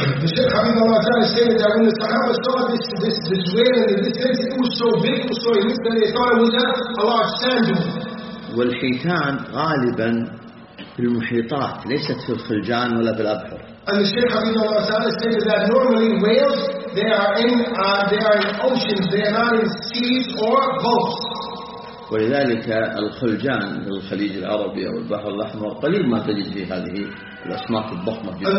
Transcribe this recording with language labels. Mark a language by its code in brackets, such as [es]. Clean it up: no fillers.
[ar] الشيخ عبد الله تعالى سيد أن الصحابة [en] saw this whale and this thing it was so big it was so huge that they thought it was a large salmon. [ar] والحيتان غالبا في المحيطات ليست في الفلجان ولا في الأبحر. [en] And the Shaykh عبد الله تعالى said that normally whales they are in oceans they are not in seas or gulfs. [ar] ولذلك الخلجان في الخليج العربي أو البحر الأحمر قليل ما تجد في هذه الأسماك الضخمة.